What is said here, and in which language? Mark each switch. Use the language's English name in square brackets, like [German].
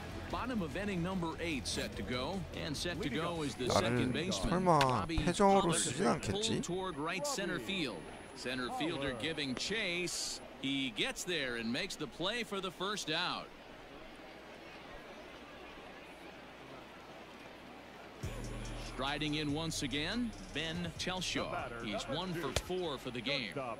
[English] Bottom of inning number eight set to go, and set to go is the second baseman. [Korean] 설마 패전으로 쓰지 않겠지? [English] Toward right center field. Center fielder giving chase. He gets there and makes the play for the first out. Striding in once again, Ben Chelshaw. He's one for four for the game.